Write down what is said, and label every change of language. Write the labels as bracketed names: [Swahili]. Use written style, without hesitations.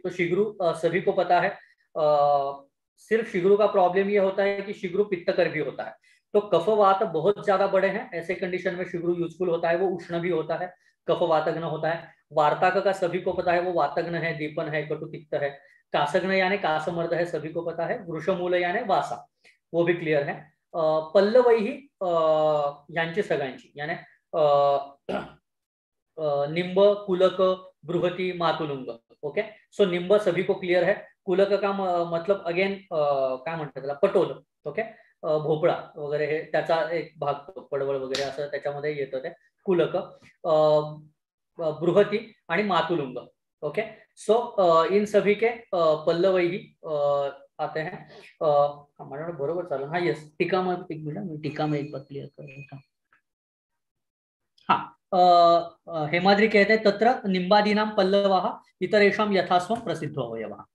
[Hindi] तो शिग्रु सभी को पता है, सिर्फ शिग्रु का प्रॉब्लम ये होता है कि शिग्रु पित्तकर भी होता है, तो कफवात बहुत ज्यादा बड़े हैं ऐसे कंडीशन में शिग्रु यूजफुल होता है, वो उष्ण भी होता है, कफवातघ्न होता है. वार्ताक का सभी को पता है वो वातघ्न है, दीपन है, कटुपित्त है. कासघ्न यानी कासमर्द है सभी को पता है, वृषमूल यानी वासा वो भी क्लियर है. [Marathi] पल्लवैही यांची सगळ्यांची, यानी निंब कुलक बृहती मातुलुंग. ओके. [Hindi] सो निंब सभी को क्लियर है, कुलक का मतलब अगेन [Marathi] काय म्हणतात त्याला [Hindi] पटोल. ओके. [Marathi] भोपळा वगैरे हे त्याचा एक भाग, पडवळ वगैरे असं त्याच्यामध्ये येतं ते कुलक. बृहती आणि मातुलुंग [Hindi] ओके सो इन सभी के पल्लवी आते हैं हमारे [Marathi] बरोबर चालू [Hindi] हाँ यस टीका में एक मिनट मैं टीका में एक बार क्लियर कर देता हूँ। [Sanskrit] हेमाद्री [Hindi] कहते हैं [Sanskrit] तत्र निम्बादीनाम पल्लवः इतरेषां यथास्वं प्रसिद्धो अवयवः।